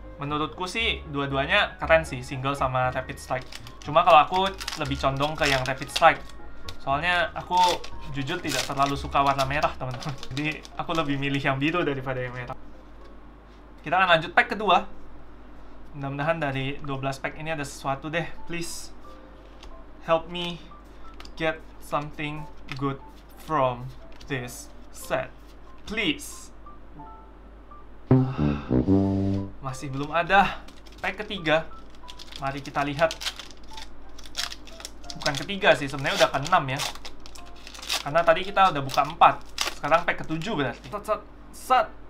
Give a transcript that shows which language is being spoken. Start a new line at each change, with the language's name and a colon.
Indonesian: Menurutku sih dua-duanya keren sih, Single sama Rapid Strike. Cuma kalau aku lebih condong ke yang Rapid Strike. Soalnya aku jujur tidak terlalu suka warna merah, teman-teman. Jadi aku lebih milih yang biru daripada yang merah. Kita akan lanjut pack kedua. Mudah-mudahan dari 12 pack ini ada sesuatu deh.
English: Please help me get something good from this set. Please.
Indonesian: Masih belum ada pack ketiga. Mari kita lihat. Bukan ketiga sih, sebenarnya udah ke-6 ya. Karena tadi kita udah buka 4. Sekarang pack ke-7 berarti. Set.